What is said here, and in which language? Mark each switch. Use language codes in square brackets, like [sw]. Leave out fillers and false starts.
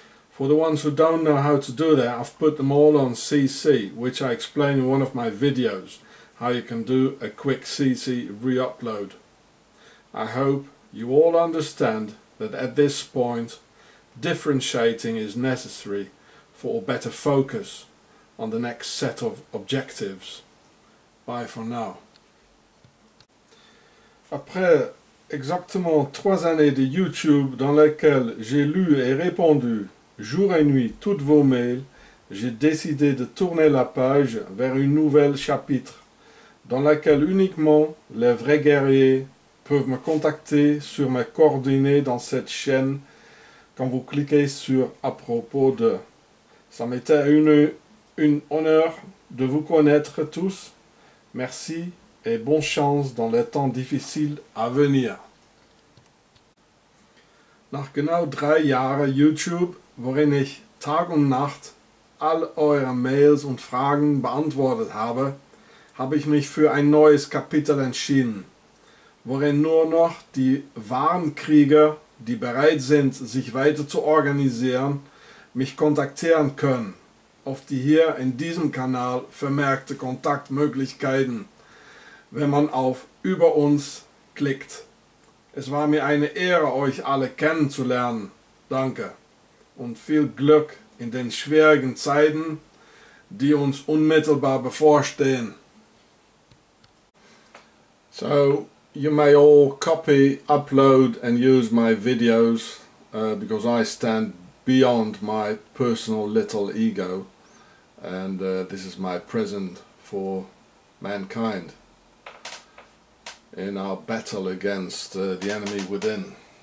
[en] For the ones who don't know how to do that, I've put them all on CC, which I explain in one of my videos, how you can do a quick CC re-upload. I hope you all understand that at this point, differentiating is necessary for a better focus on the next set of objectives. Bye for now. [fr] Après exactement 3 années de YouTube dans lesquelles j'ai lu et répondu jour et nuit toutes vos mails, j'ai décidé de tourner la page vers une nouvelle chapitre dans laquelle uniquement les vrais guerriers peuvent me contacter sur mes coordonnées dans cette chaîne quand vous cliquez sur « à propos de ». Ça m'était une honneur de vous connaître tous. Merci et bonne chance dans les temps difficiles à venir. [de] Nach genau 3 Jahren YouTube, worin ich Tag und Nacht all eure Mails und Fragen beantwortet habe, habe ich mich für ein neues Kapitel entschieden, worin nur noch die wahren Krieger, die bereit sind, sich weiter zu organisieren, mich kontaktieren können. Auf die hier in diesem Kanal vermerkte Kontaktmöglichkeiten, wenn man auf Über uns klickt. Es war mir eine Ehre, euch alle kennenzulernen. Danke und viel Glück in den schwierigen Zeiten, die uns unmittelbar bevorstehen. [en] So, you may all copy, upload and use my videos, because I stand beyond my personal little ego. And this is my present for mankind in our battle against the enemy within.